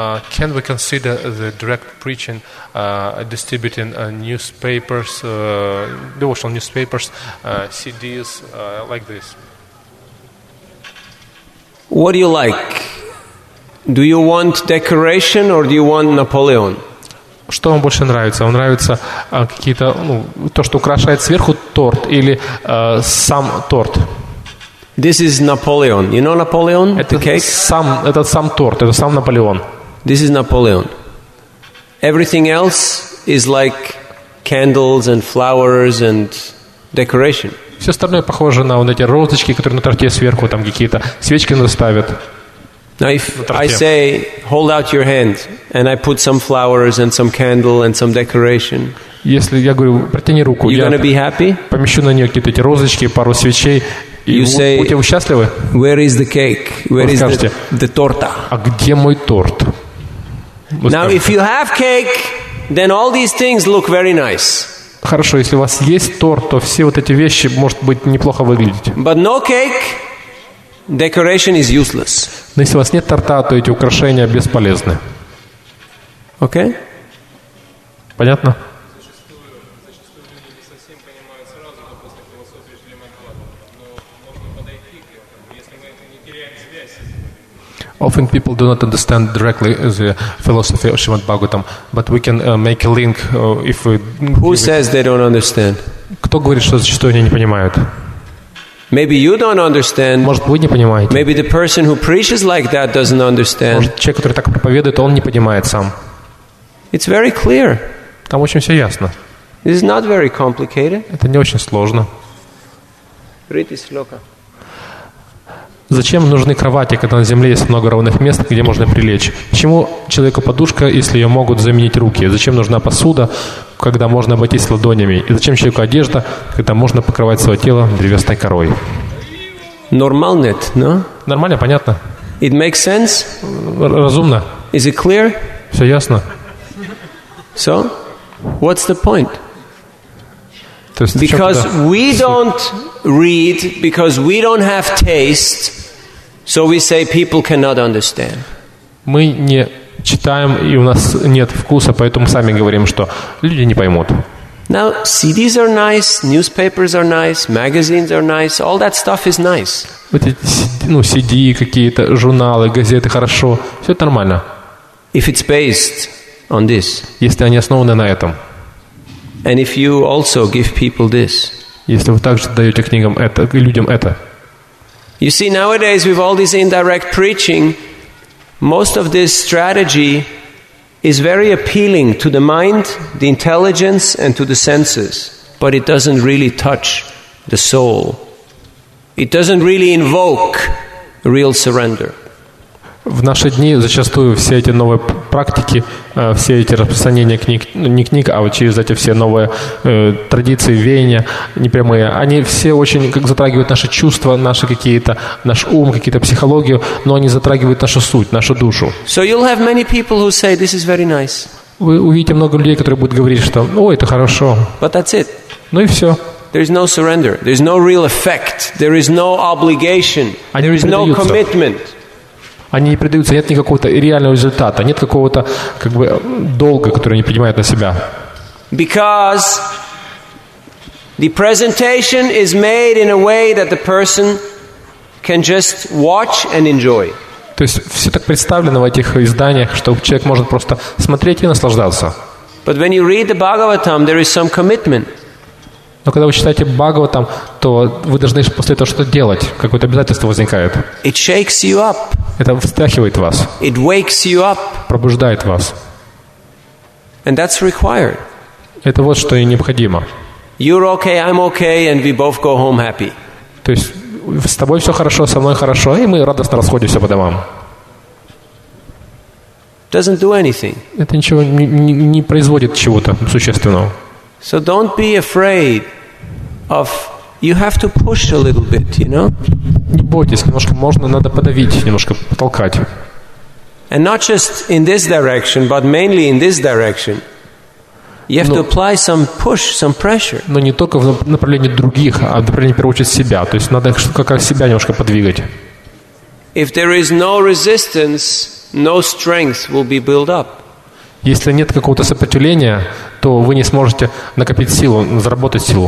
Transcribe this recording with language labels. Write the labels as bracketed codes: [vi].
[en] Can we consider the direct preaching distributing newspapers, devotional newspapers, CDs, like this? What do you like? Do you want decoration or do you want Napoleon? [ru] Что вам больше нравится? Вам нравится какие-то, ну, то, что украшает сверху торт или сам торт? [en] This is Napoleon. You know Napoleon? [ru] Это [en] the cake? [ru] Сам, этот сам торт, это сам Наполеон. [en] This is Napoleon. Everything else is like candles and flowers and decoration. [ru] Все остальное похоже на вот эти розочки, которые на торте сверху, там какие-то свечки наставят. [en] Now if I say, hold out your hand, and I put some flowers and some candle and some decoration, [ru] если я говорю, протяни руку, [en] you're gonna be happy? [ru] Помещу на нее какие-то эти розочки, пару свечей, и [en] you say, [ru] будете вы счастливы? [en] Where is the cake? Where is the torta? [ru] А где мой торт? [en] Now, if you have cake, then all these things look very nice. [ru] Хорошо, если у вас есть торт, то все вот эти вещи может быть неплохо выглядеть. [en] But no cake, decoration is useless. [ru] Но если у вас нет торта, то эти украшения бесполезны. [en] Okay? [ru] Понятно? [en] Often people do not understand directly the philosophy of Srimad Bhagavatam, but we can make a link if we... Who says they don't understand? [ru] Кто говорит, что зачастую они не понимают? [en] Maybe you don't understand. [ru] Может, вы не понимаете. [en] Maybe the person who preaches like that doesn't understand. [ru] Может, человек, который так проповедует, он не понимает сам. [en] It's very clear. [ru] Там очень все ясно. [en] It's not very complicated. [ru] Это не очень сложно. Ритис лока. Зачем нужны кровати, когда на земле есть много ровных мест, где можно прилечь? Почему человеку подушка, если ее могут заменить руки? Зачем нужна посуда, когда можно обойтись ладонями? И зачем человеку одежда, когда можно покрывать свое тело древесной корой? Нормально, но? Нормально, понятно. [en] It makes sense? [ru] Разумно. [en] Is it clear? [ru] Все ясно. [en] So, what's the point? Because we don't read, because we don't have taste, so we say people cannot understand. [ru] Мы не читаем, и у нас нет вкуса, поэтому сами говорим, что люди не поймут. [en] Now, CDs are nice, newspapers are nice, magazines are nice, all that stuff is nice. [ru] Вот эти, ну, CD, какие-то журналы, газеты, хорошо, все это нормально. [en] If it's based on this. [ru] Если они основаны на этом. [en] And if you also give people this. [ru] Если вы также даете книгам это, людям это. [en] You see, nowadays with all this indirect preaching, most of this strategy is very appealing to the mind, the intelligence, and to the senses. But it doesn't really touch the soul. It doesn't really invoke real surrender. [ru] В наши дни зачастую все эти новые практики, все эти распространения книг, не книг, а вот через эти все новые традиции, веяния непрямые, они все очень как затрагивают наши чувства, наши какие-то, наш ум, какие-то психологию, но они затрагивают нашу суть, нашу душу. [en] So you'll have many people who say, this is very nice. [ru] Вы увидите много людей, которые будут говорить, что «О, это хорошо». [en] But that's it. [ru] Ну и все. [en] There is no surrender. There is no real effect. There is no obligation. [ru] Они [en] there is no commitment. [ru] Они не предаются, нет никакого-то реального результата, нет какого-то как бы долга, который они принимают на себя. [en] Because the presentation is made in a way that the person can just watch and enjoy. [ru] То есть все так представлено в этих изданиях, что человек может просто смотреть и наслаждаться. [en] But when you read the Bhagavatam, there is some commitment. [ru] Но когда вы читаете Бхагаватам, то вы должны после этого что-то делать. Какое-то обязательство возникает. [en] It shakes you up. [ru] Это встряхивает вас. [en] It wakes you up. [ru] Пробуждает вас. [en] And that's required. [ru] Это вот что и необходимо. [en] You're okay, I'm okay, and we both go home happy. [ru] То есть с тобой все хорошо, со мной хорошо, и мы радостно расходимся по домам. [en] Doesn't do anything. [ru] Это ничего не производит чего-то существенного. [en] So don't be afraid of You have to push a little bit, you know? [ru] Не бойтесь, немножко можно, надо подавить, немножко потолкать. [en] And not just in this direction, but mainly in this direction. You have to apply some push, some pressure. [ru] Но не только в направлении других, а в направлении, в первую очередь, себя. То есть надо как-то себя немножко подвигать. [en] If there is no resistance, no strength will be built up. [ru] Если нет какого-то сопротивления, то вы не сможете накопить силу, заработать силу.